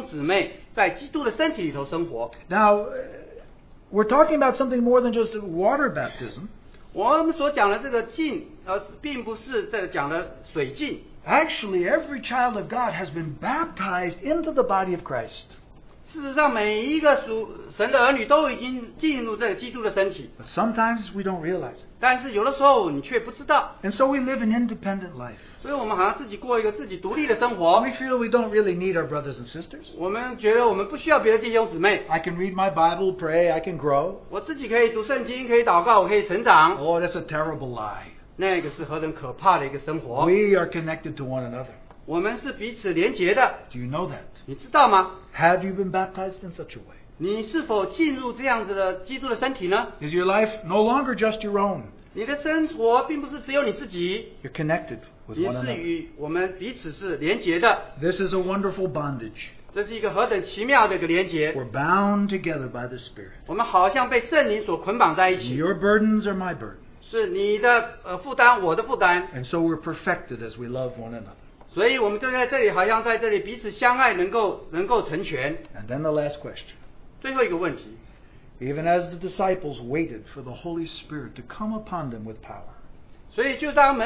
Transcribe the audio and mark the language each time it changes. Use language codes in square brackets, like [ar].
[zh] 有的时候基督徒好像他们知道如何在神面前生活，但是他们不知道如何与弟兄姊妹在基督的身体里头生活。 [en] Now, we're talking about something more than just water baptism. [zh] 我们所讲的这个浸，并不是这个讲的水浸。 [en] Actually, every child of God has been baptized into the body of Christ. [zh] 事实上每一个神的儿女都已经进入这个基督的身体。 [en] But sometimes we don't realize it. [zh] 但是有的时候你却不知道。 [en] And so we live an independent life. [zh] 所以我们好像自己过一个自己独立的生活。 [en] We feel we don't really need our brothers and sisters. [zh] 我们觉得我们不需要别的弟兄姊妹。 [en] I can read my Bible, pray, I can grow. [zh] 我自己可以读圣经，可以祷告，我可以成长。 [en] Oh, that's a terrible lie. [zh] 那个是何等可怕的一个生活。 [en] We are connected to one another. [zh] 我们是彼此连结的。 [en] Do you know that? [zh] 你知道吗? [en] Have you been baptized in such a way? [zh] 你是否进入这样子的基督的身体呢? [en] Is your life no longer just your own? [zh] 你的生活并不是只有你自己。 [en] You're connected with one another. [zh] 你是与我们彼此是连结的。 [en] This is a wonderful bondage. [zh] 这是一个何等奇妙的一个连结。 [en] We're bound together by the Spirit. [zh] 我们好像被圣灵所捆绑在一起。 [en] Your burdens are my burdens. [zh] 是你的负担，我的负担。 [en] And so we're perfected as we love one another. [zh] 所以我们就在这里，好像在这里彼此相爱，能够成全。 [en] And then the last question. [zh] 最后一个问题。 [en] Even as the disciples waited for the Holy Spirit to come upon them with power.